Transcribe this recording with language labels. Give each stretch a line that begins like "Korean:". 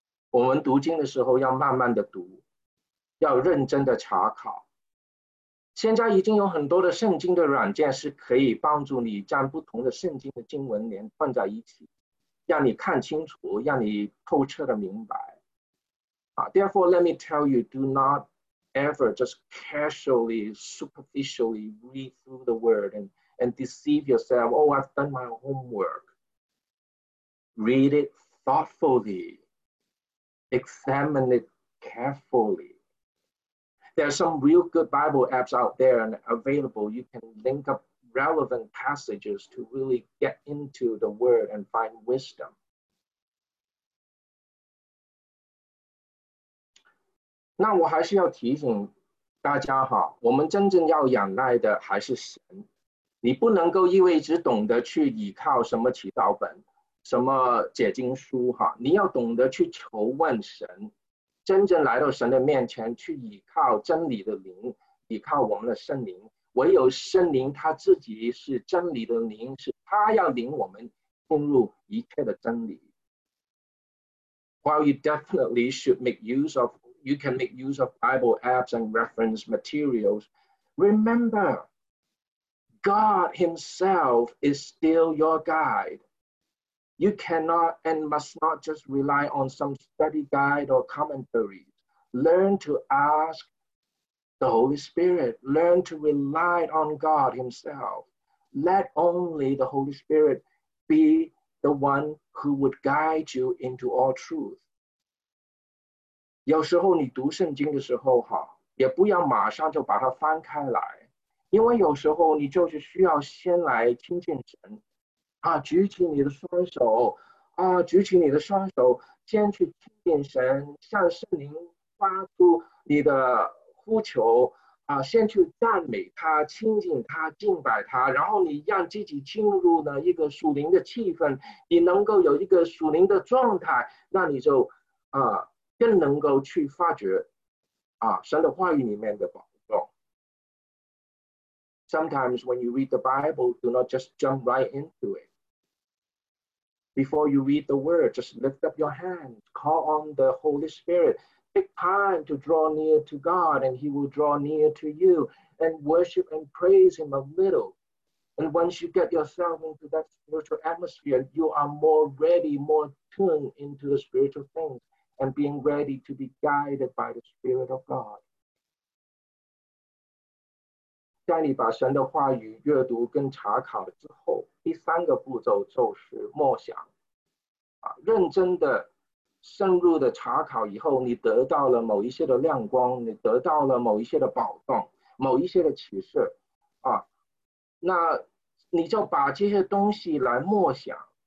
Chinese: 我们读经的时候要慢慢的读，要认真的查考。现在已经有很多的圣经的软件是可以帮助你将不同的圣经的经文连串在一起，让你看清楚，让你透彻的明白。
English: Therefore, let me tell you, do not ever just casually, superficially read through the word and deceive yourself. Oh, I've done my homework. Read it thoughtfully. Examine it carefully. There are some real good Bible apps out there and available. You can link up relevant passages to really get into the word and find wisdom.
Chinese: 那我还是要提醒大家哈，我们真正要仰赖的还是神。你不能够因为只懂得去依靠什么祈祷本、什么解经书哈，你要懂得去求问神，真正来到神的面前去依靠真理的灵，依靠我们的圣灵。唯有圣灵他自己是真理的灵，是他要领我们进入一切的真理。
English: While you definitely should make use of, you can make use of Bible apps and reference materials, remember, God himself is still your guide. You cannot and must not just rely on some study guide or commentaries. Learn to ask the Holy Spirit. Learn to rely on God himself. Let only the Holy Spirit be the one who would guide you into all truth.
Chinese: 有时候你读圣经的时候哈，也不要马上就把它翻开来，因为有时候你就是需要先来亲近神啊，举起你的双手啊，举起你的双手，先去亲近神，向圣灵发出你的呼求啊，先去赞美他，亲近他，敬拜他，然后你让自己进入了一个属灵的气氛，你能够有一个属灵的状态，那你就啊更能够去发掘啊神的话语里面的宝。
English: Sometimes when you read the Bible, do not just jump right into it. Before you read the word, just lift up your hand, call on the Holy Spirit. Take time to draw near to God and he will draw near to you and worship and praise him a little. And once you get yourself into that spiritual atmosphere, you are more ready, more tuned into the spiritual things and being ready to be guided by the Spirit of God.
Chinese: 在你把神的话语阅读跟查考了之后，第三个步骤就是默想、啊、认真的深入的查考以后，你得到了某一些的亮光，你得到了某一些的宝藏，某一些的启示、啊、那你就把这些东西来默想、